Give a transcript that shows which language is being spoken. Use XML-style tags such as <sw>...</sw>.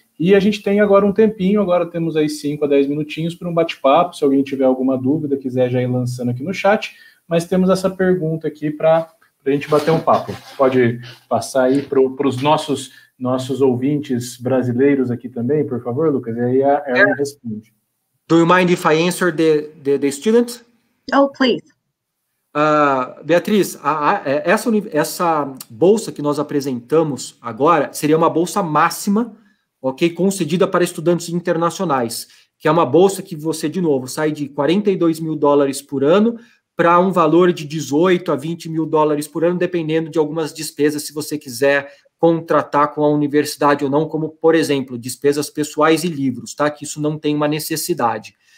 <pt>E a gente tem agora um tempinho, agora temos aí 5 a 10 minutinhos para um bate-papo, se alguém tiver alguma dúvida, quiser já ir lançando aqui no chat, mas temos essa pergunta aqui para a gente bater um papo. Pode passar aí para os nossos ouvintes brasileiros aqui também, por favor, Lucas, e aí a Erin responde.</pt> <en>Do you mind if I answer the student? Oh, please.</en> <pt>Beatriz, essa bolsa que nós apresentamos agora seria uma bolsa máxima, ok, concedida para estudantes internacionais, que é uma bolsa que você, de novo, sai de $42 mil por ano para um valor de 18 a 20 mil dólares por ano, dependendo de algumas despesas, se você quiser contratar com a universidade ou não, como, por exemplo, despesas pessoais e livros, tá? Que isso não tem uma necessidade.</pt>